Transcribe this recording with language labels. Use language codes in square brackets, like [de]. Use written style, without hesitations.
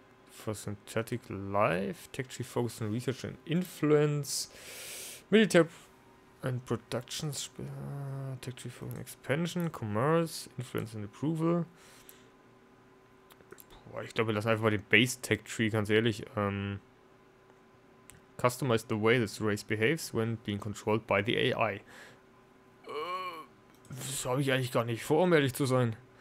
[en] For Synthetic Life, Tech Tree Focused on Research and Influence, Military and Productions, Tech Tree Focused on Expansion, Commerce, Influence and Approval. [de] Boah, ich glaube, wir lassen einfach mal den Base Tech Tree, ganz ehrlich. [en] Customize the way this race behaves when being controlled by the AI. [de] Das habe ich eigentlich gar nicht vor, um ehrlich zu sein.